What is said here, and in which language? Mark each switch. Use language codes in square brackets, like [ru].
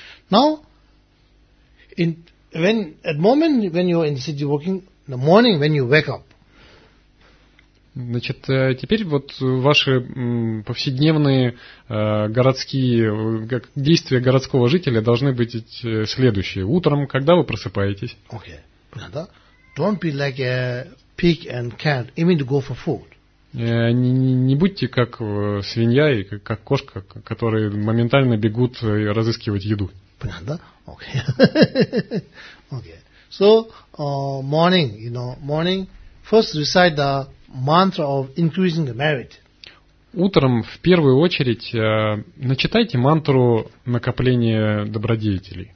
[en] Now, when at moment when you are in the city working, the morning when you wake up. [ru] Значит, теперь вот ваши повседневные городские действия городского жителя должны быть следующие. Утром, когда вы просыпаетесь? [en] Okay. Don't be like a pig and cat, even to go for food. [ru] Не будьте как свинья и как кошка, которые моментально бегут разыскивать еду. Понятно? Okay. Okay. [en] So, morning, you know, morning, first recite the mantra of increasing the merit. [ru] Утром в первую очередь начитайте мантру накопления добродетелей.